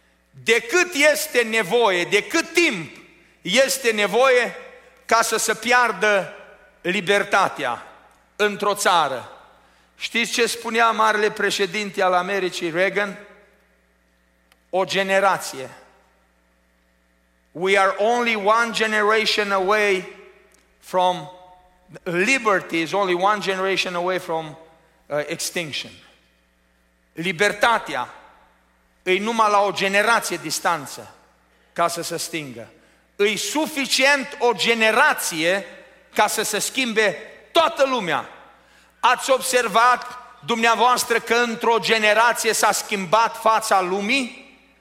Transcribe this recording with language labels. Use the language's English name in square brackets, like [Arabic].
[Romanian] De cât este nevoie, de cât timp este nevoie ca să se piardă libertatea într-o țară? Știți ce spunea marele președinte al Americii, Reagan? O generație. [English] We are only one generation away from liberty, is only one generation away from extinction. [Romanian] Libertatea e numai la o generație distanță ca să se stingă. E suficient o generație ca să se schimbe toată lumea. Ați observat dumneavoastră că într-o generație s-a schimbat fața lumii?